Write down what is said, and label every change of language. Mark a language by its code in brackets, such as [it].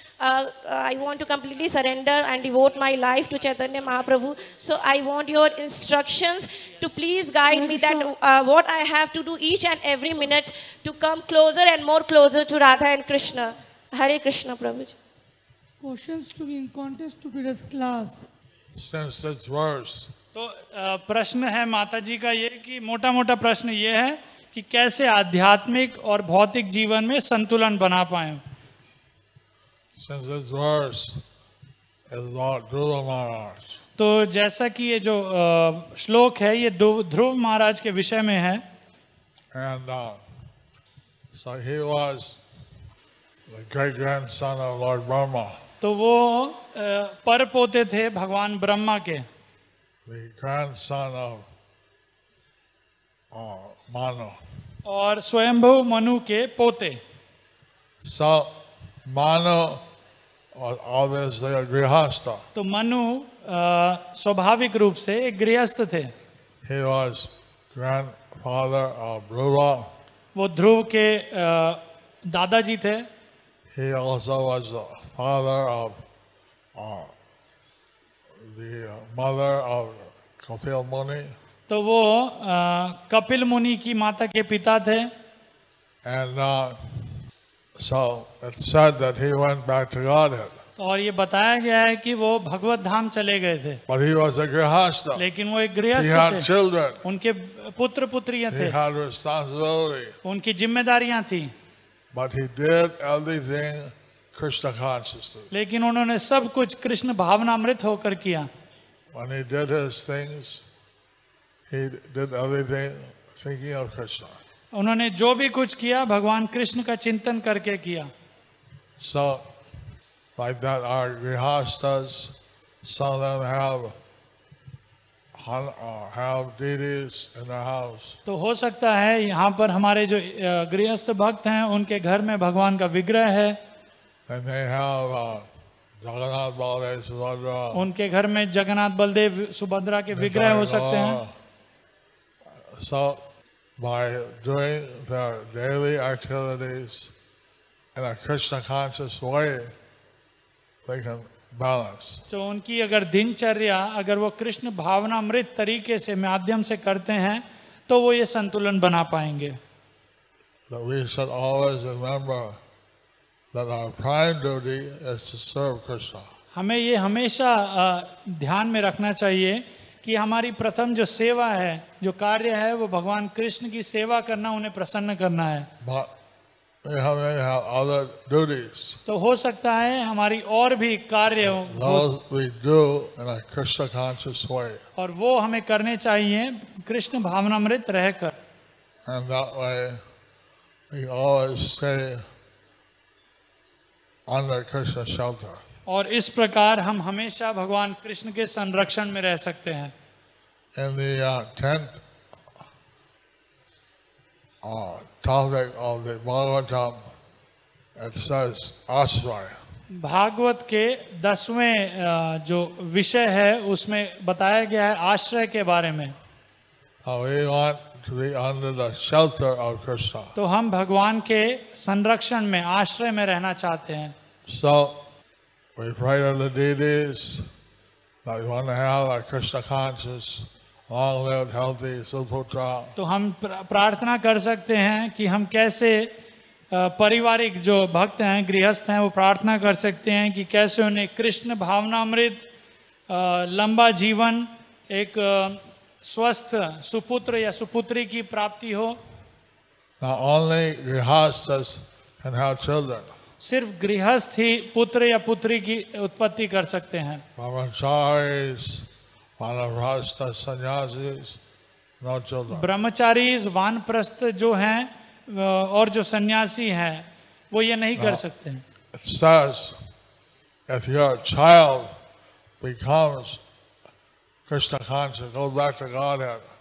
[en] I want to completely surrender and devote my life to Chaitanya Mahaprabhu. So I want your instructions to please guide me that what I have to do each and every minute to come closer and more closer to Radha and Krishna. Hare Krishna Prabhuji. Questions to be in contest to today's class. Senseless words. [hi] तो प्रश्न है माता जी का ये कि मोटा मोटा प्रश्न ये है कि कैसे आध्यात्मिक और भौतिक जीवन में संतुलन बना पाए. [en] Senseless words is Lord Dhruva Maharaj. [hi] तो जैसा कि ये जो श्लोक है ये ध्रुव महाराज के विषय में है. [en] And so he was the great grandson of Lord Brahma. [hi] तो वो पर पोते थे भगवान ब्रह्मा के. [en] The grandson of Manu. [hi] और स्वयंभू मनु के पोते. [en] So Manu was always a grihastha. [hi] तो मनु स्वाभाविक रूप से एक गृहस्थ थे. [en] He was grandfather of Dhruva. [hi] वो ध्रुव के दादाजी थे. [en] He also was the father of the mother of Kapil Muni. [hi] तो वो कपिल मुनि की माता के पिता थे. [en] And so it's said that he went back to Godhead. [hi] और ये बताया गया है कि वो भगवत धाम चले गए थे. [en] But he was a grihastha. [hi] लेकिन वो एक गृहस्थ थे. [en] He had children. [hi] उनके पुत्र पुत्रियां थे. [en] He had responsibility. [hi] उनकी जिम्मेदारियां थी. [en] But he did everything Krishna consciously. [hi] लेकिन उन्होंने सब कुछ कृष्ण भावनामृत होकर किया. [en] When he did his things, he did everything thinking of Krishna. [hi] उन्होंने जो भी कुछ किया भगवान कृष्ण का चिंतन करके किया. [en] So like that our grihasthas, some of them have deities in their house. [hi] तो हो सकता है यहाँ पर हमारे जो गृहस्थ भक्त हैं उनके घर में भगवान का विग्रह है. [en] And they have Jagannath Baldev Subhadra. [hi] उनके घर में जगन्नाथ बलदेव सुभद्रा के विग्रह हो सकते हैं. [en] So by doing their daily activities in a Krishna conscious way, they can balance. [hi] तो उनकी अगर दिनचर्या अगर वो कृष्ण भावनामृत तरीके से माध्यम से करते हैं तो वो ये संतुलन बना पाएंगे. [en] That we should always remember that our prime duty is to serve Krishna. [hi] हमें ये हमेशा ध्यान में रखना चाहिए कि हमारी प्रथम जो सेवा है जो कार्य है वो भगवान कृष्ण की सेवा करना उन्हें प्रसन्न करना है. [en] But we have other duties. [hi] तो हो सकता है हमारी और भी कार्य हो. [en] Those we do in a Krishna conscious way. [hi] और वो हमें करने चाहिए कृष्ण भावनामृत रहकर. [en] And that way we always say under Krishna's shelter. [hi] और इस प्रकार हम हमेशा भगवान कृष्ण के संरक्षण में रह सकते हैं. [en] In the tenth topic of the Bhagavatam, it says ashray. [hi] Bhagavat के दसवें जो विषय है उसमें बताया गया है आश्रय के बारे में. [en] We want to be under the shelter of Krishna. [hi] तो हम भगवान के संरक्षण में आश्रय में रहना चाहते हैं. [en] So we pray to the deities that we want to have a Krishna conscious, long-lived, healthy Supputra. [hi] तो हम प्रार्थना कर सकते हैं कि हम कैसे पारिवारिक जो भक्त हैं गृहस्थ हैं वो प्रार्थना कर सकते हैं कि कैसे उन्हें कृष्ण भावनामृत लंबा जीवन एक स्वस्थ सुपुत्र या सुपुत्री की प्राप्ति हो. [en] Not only grihasthas can have children. [hi] सिर्फ गृहस्थ ही पुत्र या पुत्री की उत्पत्ति कर सकते हैं. ब्रह्मचारीज, वानप्रस्थ, सन्यासीज, [en] no children. [hi] ब्रह्मचारीज, वानप्रस्थ जो हैं और जो सन्यासी हैं वो ये नहीं कर सकते. [en] It says, if your child becomes Krishna conscious, go back to Godhead.